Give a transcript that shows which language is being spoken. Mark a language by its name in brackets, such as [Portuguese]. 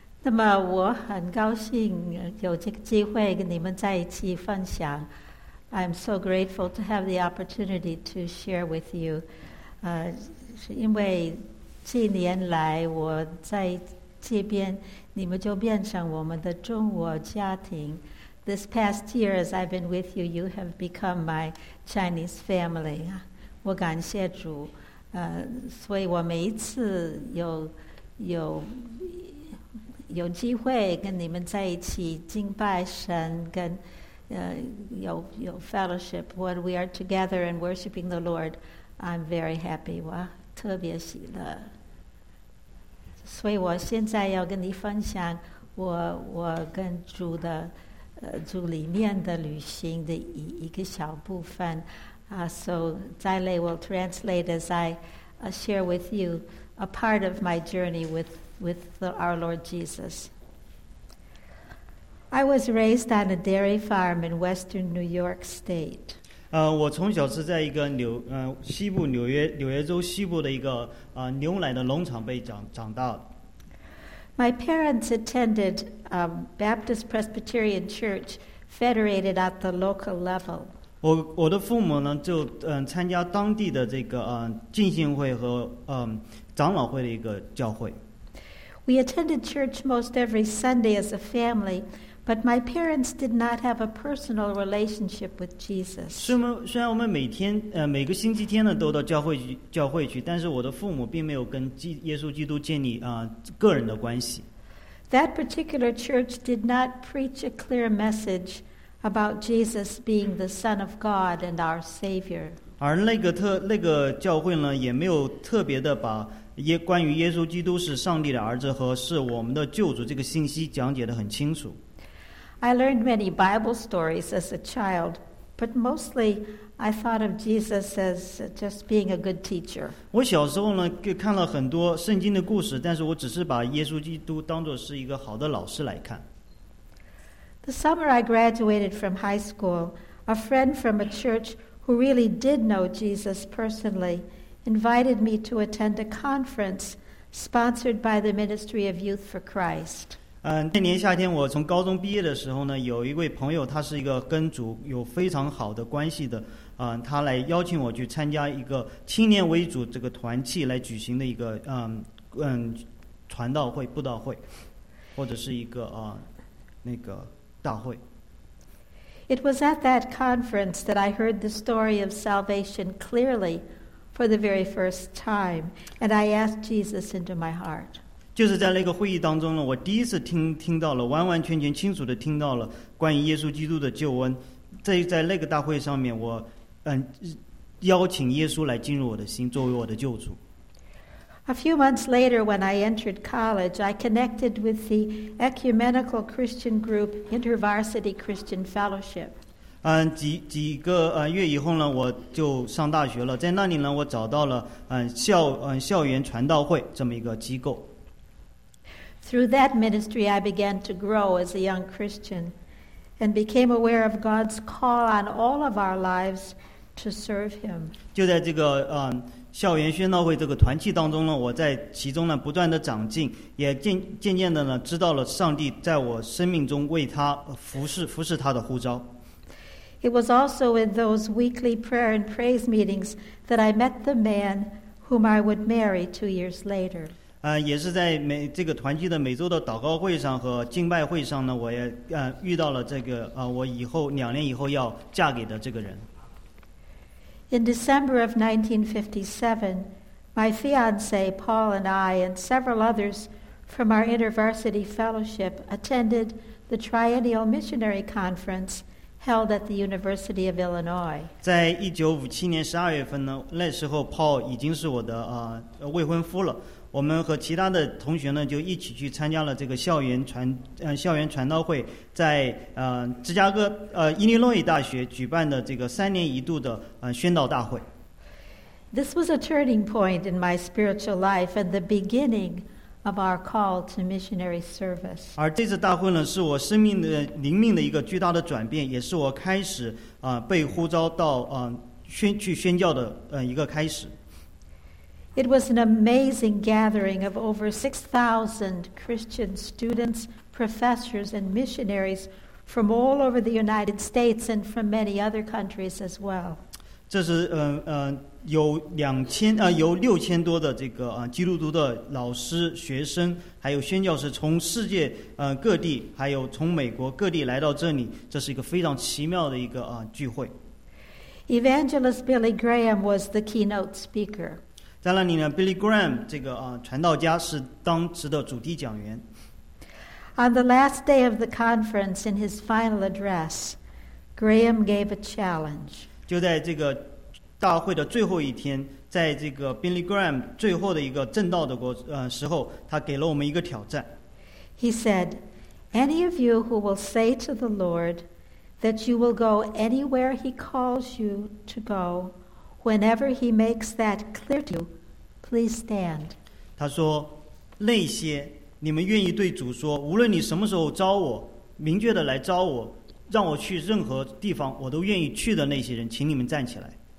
[Chinese] 那么我很高兴有这个机会跟你们在一起分享。 [English] I'm so grateful to have the opportunity to share with you。 [Chinese] 是因为近年来我在这边，你们就变成我们的中国家庭。 [English] This past year, as I've been with you, you have become my Chinese family。 [Chinese] 我感谢主，所以我每一次有机会跟你们在一起敬拜神，跟有 [English] fellowship when we are together and worshiping the Lord, I'm very happy, [Chinese] 我特别喜乐。所以我现在要跟你分享我跟主的主里面的旅行的一个小部分啊。 [English] So 再来 will translate as I share with you a part of my journey with our Lord Jesus. I was raised on a dairy farm in western New York State. [Chinese] 我从小是在一个西部纽约州西部的一个牛奶的农场被长大的。 [English] My parents attended Baptist Presbyterian Church, federated at the local level. [Chinese] 我的父母呢，就参加当地的这个浸信会和长老会的一个教会。 [English] We attended church most every Sunday as a family, but my parents did not have a personal relationship with Jesus. [Chinese] 虽然我们每个星期天呢都到教会去，但是我的父母并没有跟耶稣基督建立个人的关系。 [English] That particular church did not preach a clear message about Jesus being the Son of God and our Savior. [Chinese] 而那个教会呢，也没有特别的把。也关于耶稣基督是上帝的儿子和是我们的救主这个信息讲解得很清楚。 [English] I learned many Bible stories as a child, but mostly I thought of Jesus as just being a good teacher. [Chinese] 我小时候呢，看了很多圣经的故事，但是我只是把耶稣基督当作是一个好的老师来看。 [English] The summer I graduated from high school, a friend from a church who really did know Jesus personally invited me to attend a conference sponsored by the Ministry of Youth for Christ. [Chinese] 那年夏天，我从高中毕业的时候呢，有一位朋友，他是一个跟主有非常好的关系的，他来邀请我去参加一个青年为主这个团契来举行的一个传道会、布道会，或者是一个那个大会。 [English] It was at that conference that I heard the story of salvation clearly. For the very first time, and I asked Jesus into my heart. [Chinese] 就是在那个会议当中呢，我第一次听到了，完完全全清楚的听到了关于耶稣基督的救恩。在那个大会上面，我邀请耶稣来进入我的心，作为我的救主。 [English] A few months later, when I entered college, I connected with the ecumenical Christian group InterVarsity Christian Fellowship. [Chinese] 几个月以后呢，我就上大学了。在那里呢，我找到了校园传道会这么一个机构。 [English] Through that ministry, I began to grow as a young Christian, and became aware of God's call on all of our lives to serve Him. [Chinese] 就在这个校园宣道会这个团契当中呢，我在其中呢不断的长进，也渐渐的呢知道了上帝在我生命中为他服侍他的呼召。 [English] It was also in those weekly prayer and praise meetings that I met the man whom I would marry 2 years later. [Chinese] 也是在这个团契的每周的祷告会上和敬拜会上呢，我也遇到了这个我以后2年以后要嫁给的这个人。 [English] In December of 1957, my fiance Paul and I and several others from our InterVarsity fellowship attended the Triennial Missionary Conference. Held at the University of Illinois. [Chinese] 在1957年12月份呢，那时候 Paul 已经是我的未婚夫了。我们和其他的同学呢，就一起去参加了这个校园传道会，在芝加哥伊利诺伊大学举办的这个3年一度的宣道大会。 [English] This was a turning point in my spiritual life and the beginning. Of our call to missionary service. [Chinese] 而这次大会呢，是我生命的灵命的一个巨大的转变，也是我开始被呼召到宣教的一个开始。 [English] It was an amazing gathering of over 6,000 Christian students, professors, and missionaries from all over the United States and from many other countries as well. [Chinese] 这是有6000多的基督徒的老师、学生，还有宣教士从世界各地，还有从美国各地来到这里，这是一个非常奇妙的一个聚会。 [English] Evangelist Billy Graham was the keynote speaker. [Chinese] 在那里呢, Billy Graham 这个传道家是当时的主题讲员。 [English] On the last day of the conference, in his final address, Graham gave a challenge. [Chinese] 就在这个大会的最后一天, 在这个Billy Graham最后的一个证道的时候, 他给了我们一个挑战。 [English] He said, any of you who will say to the Lord that you will go anywhere he calls you to go, whenever he makes that clear to you, please stand. [Chinese] 他说，那些你们愿意对主说，无论你什么时候招我，明确的来招我，让我去任何地方，我都愿意去的那些人，请你们站起来。